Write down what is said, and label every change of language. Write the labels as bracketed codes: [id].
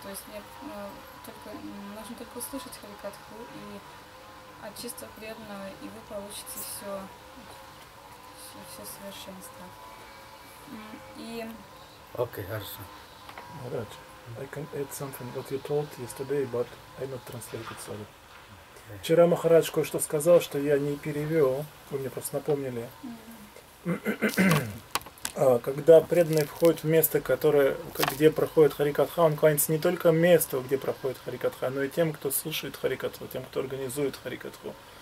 [ru] То есть нужно только услышать Харикатху и от чистого преданного, и вы получите все совершенство. Окей, хорошо. [en] Maharaj, I can add something what you told yesterday, but I not translated, sorry. Okay. [ru] Вчера Махарадж кое-что сказал, что я не перевел, вы мне просто напомнили. Когда преданный входит в место, где проходит Харикатха, он кланяется не только месту, где проходит Харикатха, но и тем, кто слушает Харикатху, тем, кто организует Харикатху.